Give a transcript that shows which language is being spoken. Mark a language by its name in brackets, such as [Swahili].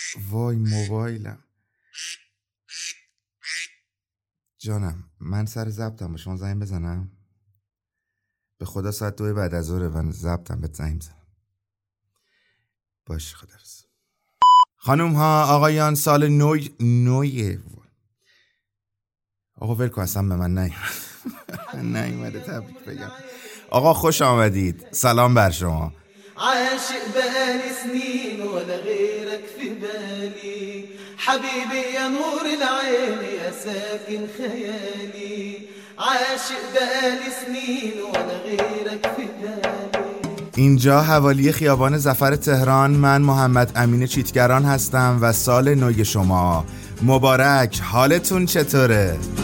[Persian] وای موبایلم جانم، من سر ضبطم، به شما زنگ بزنم؟ به خدا ساعت 2 بعد از ظهر من ضبطم، به زنگ بزنم. باش خدا رس. خانوم ها، آقایان، سال نوی نویه. آقا ولکو، اصلا به من نیومد، نیومده تبریک بگم. آقا خوش آمدید، سلام بر شما. [Arabic] عاشق بالي سنين ولا غيرك في بالي حبيبي يا نور العين يا ساكن خيالي. عاشق بالي سنين ولا غيرك في بالي. [Persian] اینجا حوالی خیابان ظفر تهران، من محمد امین چیتگران هستم و سال نوی شما مبارک، حالتون چطوره؟